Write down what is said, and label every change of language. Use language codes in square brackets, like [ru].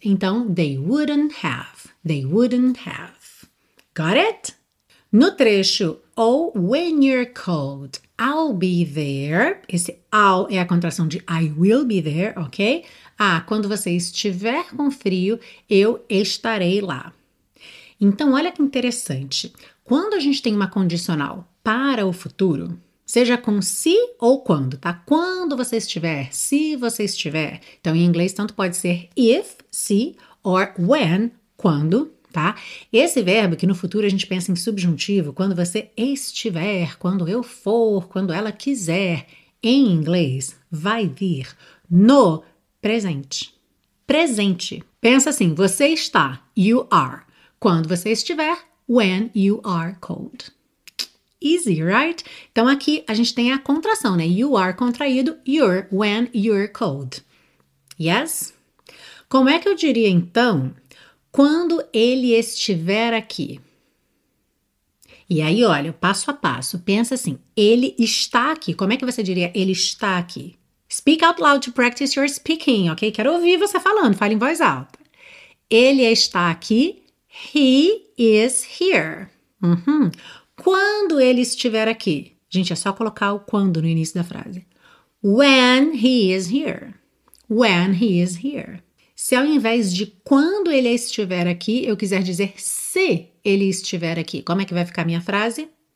[en] Então, they wouldn't have. They wouldn't have. Got it? [pt] No trecho, [en] oh, when you're cold, I'll be there. [pt] Esse [en] I'll [pt] é a contração de [en] I will be there, [pt] ok? Ah, quando você estiver com frio, eu estarei lá. Então, olha que interessante. Quando a gente tem uma condicional para o futuro, seja com se ou quando, tá? Quando você estiver, se você estiver. Então, em inglês, tanto pode ser if, se, or when, quando. Tá? Esse verbo que no futuro a gente pensa em subjuntivo, quando você estiver, quando eu for, quando ela quiser, em inglês, vai vir no presente. Presente. Pensa assim: você está, [en] you are. [pt] Quando você estiver, [en] when you are cold. Easy, right? [pt] Então aqui a gente tem a contração, né? [en] You are contraído, you're when you're cold. Yes? [pt] Como é que eu diria então? Quando ele estiver aqui. E aí, olha, passo a passo, pensa assim: ele está aqui. Como é que você diria ele está aqui? [en] Speak out loud to practice your speaking, ok? [pt] Quero ouvir você falando, fale em voz alta. Ele está aqui. [en] He is here. [pt] Quando ele estiver aqui. Gente, é só colocar o quando no início da frase. [en] When he is here. When he is here. [pt] Se ao invés de quando ele estiver aqui, eu quiser dizer se ele estiver aqui, como é que vai ficar a minha frase?